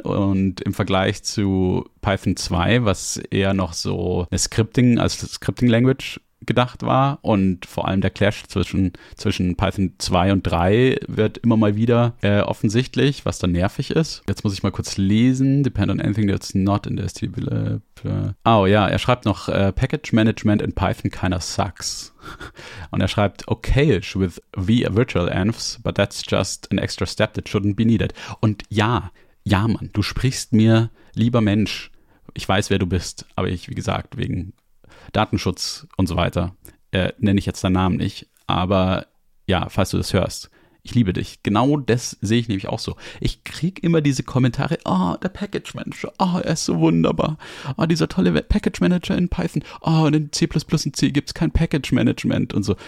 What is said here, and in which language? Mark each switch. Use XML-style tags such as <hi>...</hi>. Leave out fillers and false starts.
<de>Und im Vergleich zu Python 2, was eher noch so eine Scripting-Language gedacht war und vor allem der Clash zwischen Python 2 und 3 wird immer mal wieder offensichtlich, was dann nervig ist. Jetzt muss ich mal kurz lesen.</de> <en>Depend on anything that's not in the STB lab.</en> <de>Oh ja, er schreibt noch,</de> <en>Package Management in Python kinda sucks.</en> <de>Und er schreibt,</de> <en>okayish with virtual envs, but that's just an extra step that shouldn't be needed.</en> <de>Und ja, Mann, du sprichst mir, lieber Mensch, ich weiß, wer du bist, aber ich, wie gesagt, wegen Datenschutz und so weiter, nenne ich jetzt deinen Namen nicht, aber ja, falls du das hörst, ich liebe dich. Genau das sehe ich nämlich auch so. Ich kriege immer diese Kommentare, oh, der Package Manager, oh, er ist so wunderbar, oh, dieser tolle Package Manager in Python, oh, und in C++ und C gibt es kein Package Management und so.</de>